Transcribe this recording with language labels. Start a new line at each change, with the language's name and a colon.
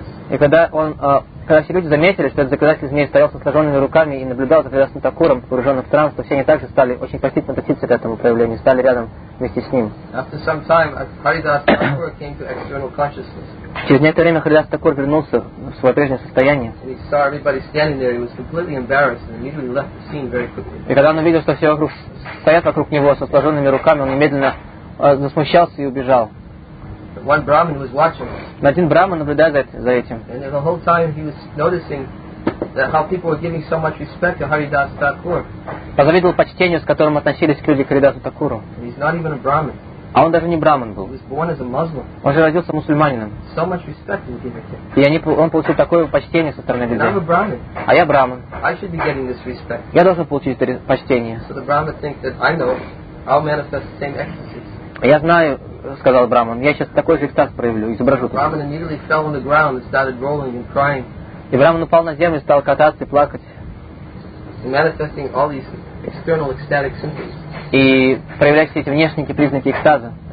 Russian: И когда он, когда все люди заметили, что этот заклинатель змей стоял со сложенными руками и наблюдал за Харидасом Такуром, погруженным в транс, то все они также стали очень почтительно относиться к этому проявлению, стали рядом вместе с ним.
English: After some time, Haridas Thakur came to external consciousness.
Russian: Через некоторое время Харидас Такур вернулся в свое прежнее состояние.
English: And he saw everybody standing there. He was completely embarrassed and immediately left the scene very quickly.
Russian: И когда он увидел, что все вокруг стоят вокруг него со сложенными руками, он немедленно засмущался и убежал.
English: One Brahmin was watching.
Russian: Один Брахман наблюдает за этим.
English: And the whole time he was noticing that how people were giving so much respect to Haridas Thakur.
Russian: Позавидовал почтению, с которым относились люди к Харидасу Такуру.
English: He's not even a Brahmin.
Russian: А он даже не Брахман был.
English: He was born as a Muslim.
Russian: Он же родился мусульманином.
English: So much respect he was given.
Russian: И он получил такое почтение со стороны людей.
English: And I'm a Brahmin.
Russian: А я Брахман.
English: I should be getting this respect.
Russian: Я должен получить это почтение.
English: So the Brahmin thinks that I know I'll manifest the same ecstasy.
Russian: Я знаю, сказал Брахман, я сейчас такой же экстаз проявлю, изображу. И Брахман упал на землю и стал кататься и плакать. И проявлять все эти внешние признаки экстаза.